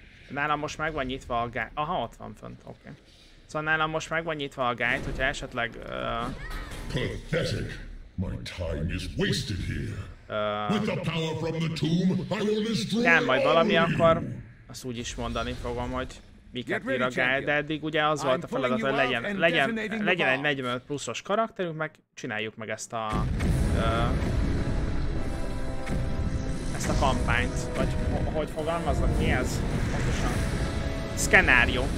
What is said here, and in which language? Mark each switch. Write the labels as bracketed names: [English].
[Hungarian] Nálam most meg van nyitva a gáj. Aha, ott van fönt, oké. Okay. Szóval nálam most meg van nyitva a gáj, hogyha esetleg... [English] Pathetic. My time is wasted here. With the power from the tomb, I will destroy all [Hungarian] majd valami akkor, azt úgy is mondani fogom, hogy miket ír a gáj, de eddig ugye az volt a feladat, hogy legyen egy 45 pluszos karakterünk, meg csináljuk meg ezt a... ezt a kampányt, vagy hogy fogalmaznak, mi ez? Pontosan. Szkenárió.